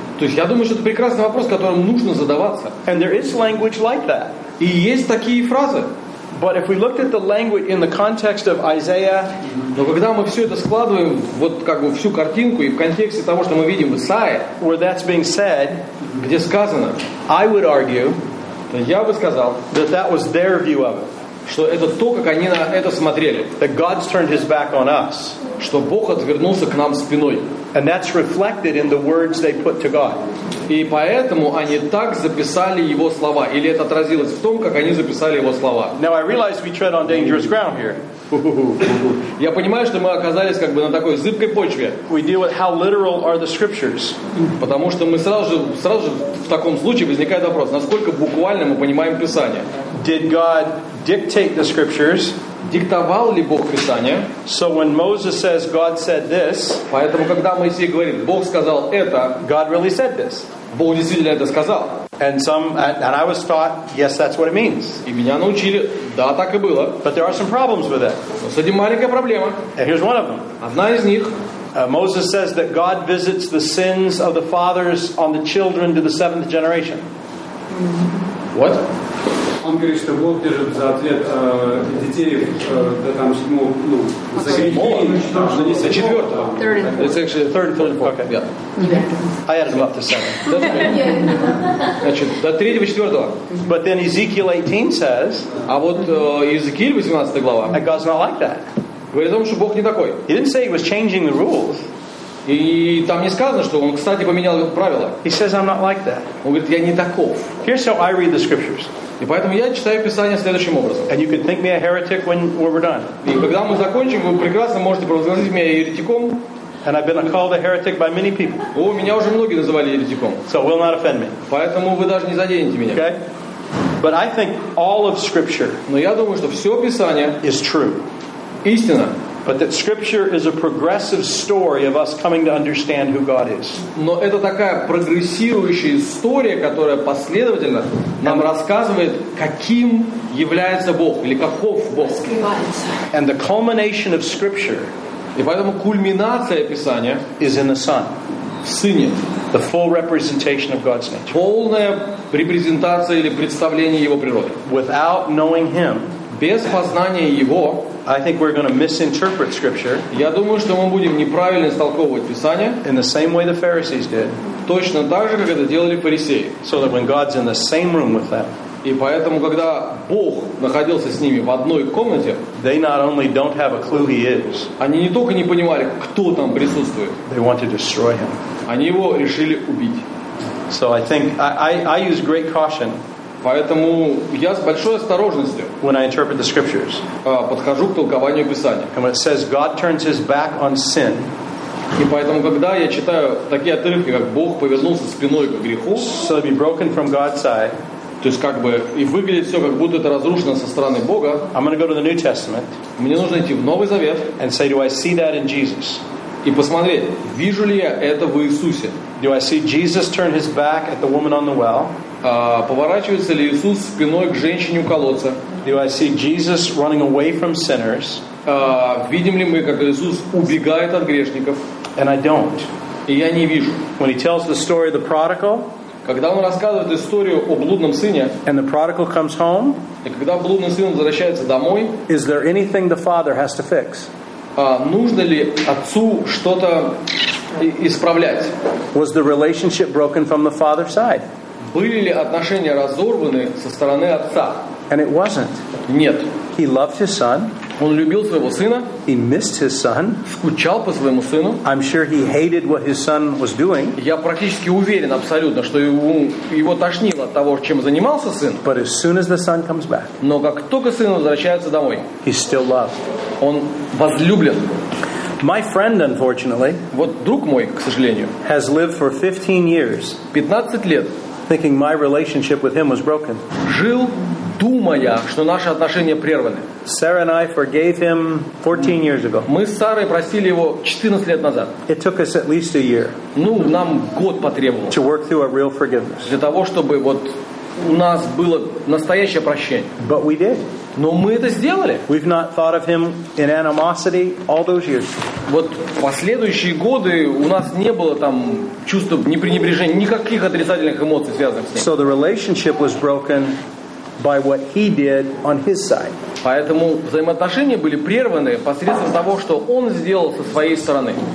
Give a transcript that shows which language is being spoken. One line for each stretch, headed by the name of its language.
Russian: То есть я думаю, что это прекрасный вопрос, которым нужно задаваться.
English: And there is language like that.
Russian: И есть такие фразы.
English: But if we looked at the language in the context of Isaiah,
Russian: но когда мы все это складываем вот как бы всю картинку и в контексте того, что мы видим в Исаии,
English: where that's being said,
Russian: где сказано,
English: I would argue,
Russian: то я бы сказал,
English: that that was their view of it,
Russian: что это то, как они на это смотрели,
English: that God's turned His back on us,
Russian: что Бог отвернулся к нам спиной,
English: and that's reflected in the words they put to God.
Russian: И поэтому они так записали его слова, или это отразилось в том, как они записали его слова.
English: Now I realize we tread on dangerous ground here.
Russian: Я понимаю, что мы оказались как бы на такой зыбкой почве.
English: We deal with how literal are the scriptures.
Russian: Потому что мы сразу же в таком случае возникает вопрос, насколько буквально мы понимаем Писание.
English: Did God dictate the scriptures?
Russian: Диктовал ли Бог Писание?
English: So when Moses says God said this,
Russian: поэтому когда Моисей говорит, Бог сказал это,
English: God really said this.
Russian: Бог действительно это сказал.
English: And I was taught, yes, that's what it means.
Russian: И меня научили, да, так и было.
English: But there are some problems with it.
Russian: Но с этим маленькая проблема.
English: And here's one of them.
Russian: Одна из них.
English: Moses says that God visits the sins of the fathers on the children to the seventh generation. What?
Russian: Он говорит, что Бог держит за ответ детей до там седьмого, ну, за грехи, за четвертого.
English: It's actually third and fourth. Okay. Yeah. I added them up to seven.
Russian: Значит, до третьего, четвертого.
English: But then Ezekiel 18 says,
Russian: а вот Иезекииль, 18 глава,
English: that God's not like that.
Russian: Говорит о том, что Бог не такой.
English: He didn't say he was changing the rules.
Russian: И там не сказано, что он, кстати, поменял правила.
English: He says, I'm not like that.
Russian: Он говорит, я не таков.
English: Here's how I read the scriptures.
Russian: И поэтому я читаю Писание следующим образом.
English: And you can think me a heretic when we're done.
Russian: И когда мы закончим, вы прекрасно можете провозгласить меня еретиком.
English: And I've been called a heretic by many people.
Russian: О, меня уже многие называли еретиком.
English: So will not offend me.
Russian: Поэтому вы даже не заденете меня.
English: Okay? But I think all of Scripture.
Russian: Но я думаю, что все Писание
English: is true.
Russian: Истина.
English: But that Scripture is a progressive story of us coming to understand who God is.
Russian: Но это такая прогрессирующая история, которая последовательно нам рассказывает, каким является Бог или каков Бог.
English: And the culmination of Scripture.
Russian: И поэтому кульминация Писания
English: is in the Son.
Russian: В Сыне.
English: The full representation of God's nature.
Russian: Полная репрезентация или представление Его природы.
English: Without knowing Him.
Russian: Без познания Его.
English: I think we're going to misinterpret Scripture.
Russian: Я думаю, что мы будем неправильно истолковывать Писание.
English: In the same way the Pharisees did.
Russian: Точно так же, как это делали фарисеи.
English: So that when God's in the same room with them.
Russian: И поэтому, когда Бог находился с ними в одной комнате,
English: they not only don't have a clue He is.
Russian: Они не только не понимали, кто там присутствует.
English: They want to destroy Him.
Russian: Они его решили убить.
English: So I think I use great caution.
Russian: Поэтому я с большой осторожностью
English: when I interpret the scriptures,
Russian: подхожу к толкованию Писания.
English: And when it says God turns His back on sin,
Russian: и поэтому, когда я читаю такие отрывки, как Бог повернулся спиной к греху,
English: so be broken from God's side,
Russian: то есть как бы и выглядит все, как будто это разрушено со стороны Бога,
English: I'm gonna go to the New Testament,
Russian: мне нужно идти в Новый Завет
English: and say, do I see that in Jesus?
Russian: И посмотреть, вижу ли я это в Иисусе.
English: Do I see Jesus turn His back at the woman on the well?
Russian: Поворачивается ли Иисус спиной к женщине у колодца?
English: Do I see Jesus running away from sinners?
Russian: Видим ли мы, как Иисус убегает от грешников?
English: And I don't.
Russian: И я не вижу.
English: When He tells the story of the prodigal,
Russian: Когда он рассказывает историю о блудном сыне,
English: and the prodigal comes home,
Russian: и когда блудный сын возвращается домой,
English: is there anything the father has to fix?
Russian: Нужно ли отцу что-то исправлять?
English: Was the relationship broken from the father's side?
Russian: Были ли отношения разорваны со стороны отца?
English: And it wasn't.
Russian: Нет.
English: He loved his son.
Russian: Он любил своего сына.
English: He missed his son.
Russian: Скучал по своему сыну.
English: I'm sure he hated what his son was doing.
Russian: Я практически уверен абсолютно, что его тошнило от того, чем занимался сын.
English: But as soon as the son comes back,
Russian: но как только сын возвращается домой,
English: he's still loved.
Russian: Он возлюблен.
English: My friend, unfortunately,
Russian: вот друг мой, к сожалению,
English: has lived for 15 years,
Russian: 15 лет,
English: thinking my relationship with him was broken.
Russian: Жил, думая, что наши отношения прерваны.
English: Sarah and I forgave him 14 years ago.
Russian: Мы с Сарой простили его 14 лет назад.
English: It took us at least a year.
Russian: Ну, нам год потребовалось.
English: To work through a real forgiveness.
Russian: Для того, чтобы вот у нас было настоящее прощение.
English: But we did.
Russian: Но мы это сделали.
English: We've not thought of him in animosity all those years.
Russian: Вот последующие годы у нас не было там чувства пренебрежения, никаких отрицательных эмоций связанных с ним.
English: So the relationship was broken by what he did on his side.
Russian: Поэтому взаимоотношения были прерваны посредством того, что он сделал со своей стороны.